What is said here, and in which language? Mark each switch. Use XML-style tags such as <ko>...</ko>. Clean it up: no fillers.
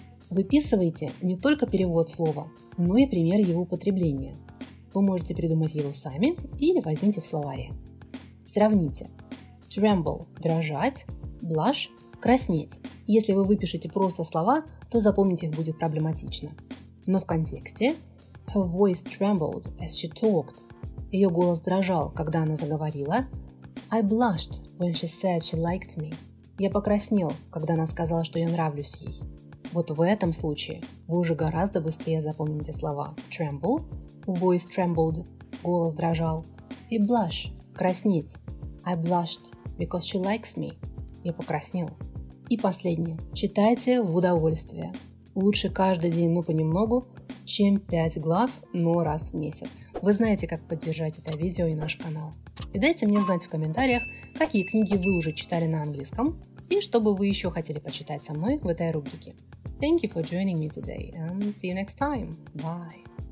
<ru>Выписывайте не только перевод слова, но и пример его употребления. Вы можете придумать его сами или возьмите в словаре. Сравните. Tremble – дрожать, blush – краснеть. Если вы выпишете просто слова, то запомнить их будет проблематично. Но в контексте</ru> <en>her voice trembled as she talked.</en> <ru>Ее голос дрожал, когда она заговорила.</ru> <en>I blushed when she said she liked me.</en> <ru>Я покраснел, когда она сказала, что я нравлюсь ей. Вот в этом случае вы уже гораздо быстрее запомните слова tremble – voice trembled – голос дрожал, и blush – краснеть.</ru> <en>I blushed because she likes me.</en> <ru>Я покраснел. И последнее. Читайте в удовольствие. Лучше каждый день, ну понемногу, чем 5 глав, но раз в месяц. Вы знаете, как поддержать это видео и наш канал. И дайте мне знать в комментариях, какие книги вы уже читали на английском и что бы вы еще хотели почитать со мной в этой рубрике.</ru> <en>Thank you for joining me today and see you next time. Bye.</en>